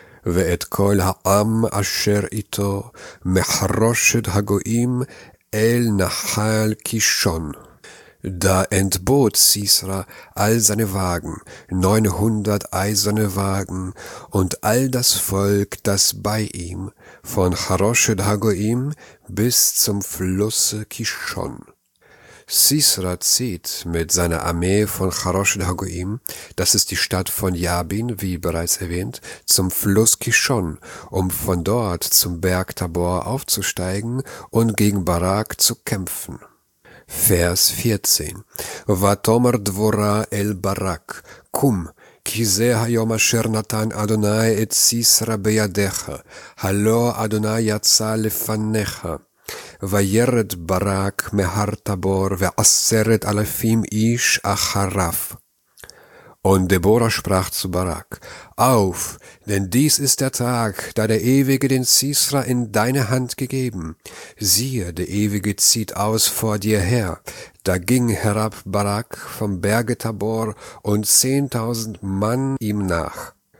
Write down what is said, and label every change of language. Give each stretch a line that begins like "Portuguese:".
Hebrew: ואת כל העם אשר איתו מחרושת הגויים אל נחל קישון.
German: Da entbot Sisra all seine Wagen, 900 eiserne Wagen und all das Volk, das bei ihm, von Haroshet Hagoim bis zum Flusse Kishon. Sisra zieht mit seiner Armee von Haroshet Hagoim, das ist die Stadt von Jabin, wie bereits erwähnt, zum Fluss Kishon, um von dort zum Berg Tabor aufzusteigen und gegen Barak zu kämpfen. Vers 14.
Hebrew: Vatomer Dvora el Barak, kum, kize hayom asher natan Adonai et Sisra beyadecha, hallo Adonai yatsa lefanecha. וירד ברק מהר תבור ועשרת אלפים איש אחריו.
German: Und Deborah sprach zu Barak, auf, denn dies ist der Tag, da der Ewige den Sisra in deine Hand gegeben. Siehe, der Ewige zieht aus vor dir her. Da ging herab Barak vom Berge Tabor und 10.000 Mann ihm nach.